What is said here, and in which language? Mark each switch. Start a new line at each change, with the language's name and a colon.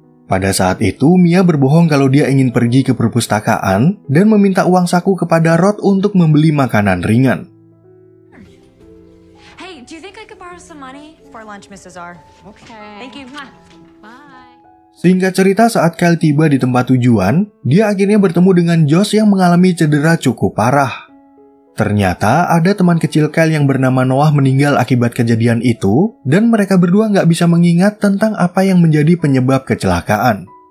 Indonesian: Pada saat itu, Mia berbohong kalau dia ingin pergi ke perpustakaan dan meminta uang saku kepada Rod untuk membeli makanan ringan.
English: Hey, do you think I could borrow some money for lunch, Mrs. R? Okay. Thank you. Bye.
Indonesian: Singkat cerita, saat Kyle tiba di tempat tujuan, dia akhirnya bertemu dengan Josh yang mengalami cedera cukup parah. Ternyata ada teman kecil Kyle yang bernama Noah meninggal akibat kejadian itu dan mereka berdua nggak bisa mengingat tentang apa yang menjadi penyebab kecelakaan.